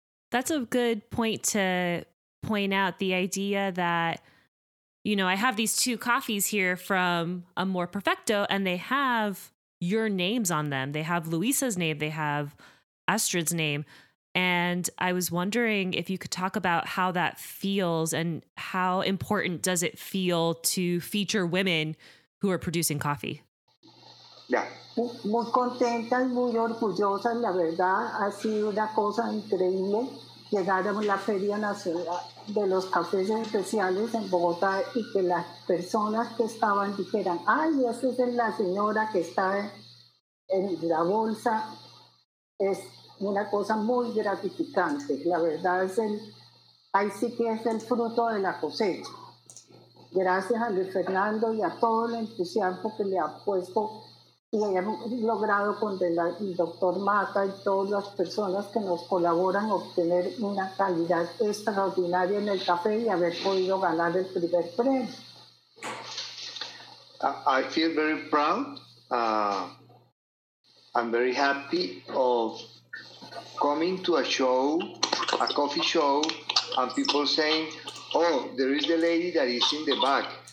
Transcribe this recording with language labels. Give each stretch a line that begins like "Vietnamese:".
English: That's a good point to point out the idea that, you know, I have these two coffees here from Amor Perfecto, and they have your names on them. They have Luisa's name. They have Astrid's name. And I was wondering if you could talk about how that feels and how important does it feel to feature women who are producing coffee? Yeah.
Spanish: Muy contentas, muy orgullosas, la verdad, ha sido una cosa increíble llegar a la Feria Nacional de los Cafés Especiales en Bogotá y que las personas que estaban dijeran, ay, esa es la señora que está en la bolsa, es una cosa muy gratificante, la verdad, ahí sí que es el fruto de la cosecha. Gracias a Luis Fernando y a todo el entusiasmo que le ha puesto y hemos logrado con el doctor Mata y todas las personas que nos colaboran obtener una calidad extraordinaria en el café y haber podido ganar el primer premio.
English: I feel very proud. I'm very happy of coming to a show, a coffee show, and people saying, oh, there is the lady that is in the back.